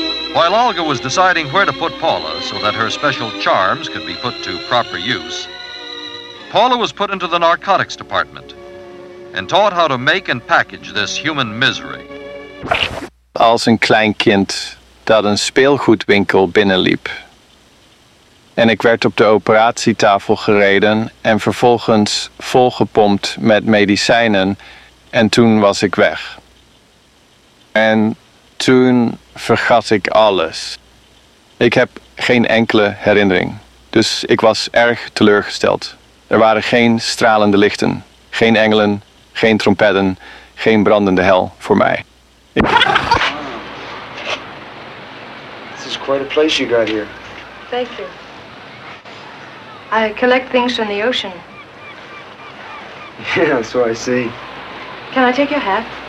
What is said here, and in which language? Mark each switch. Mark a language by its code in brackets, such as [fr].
[en] While Olga was deciding where to put Paula so that her special charms could be put to proper use, Paula was put into the narcotics department and taught how to make and package this human misery. [nl] Als een klein kind dat een speelgoedwinkel binnenliep. En ik werd op de operatietafel gereden en vervolgens volgepompt met medicijnen en toen was ik weg. En toen vergat ik alles. Ik heb geen enkele herinnering. Dus ik was erg teleurgesteld. Er waren geen stralende lichten. Geen engelen, geen trompetten, geen brandende hel voor mij. Ik... [en] Wow. This is quite a place you got here. Thank you. I collect things from the ocean. Yeah, so I see. Can I take your hat?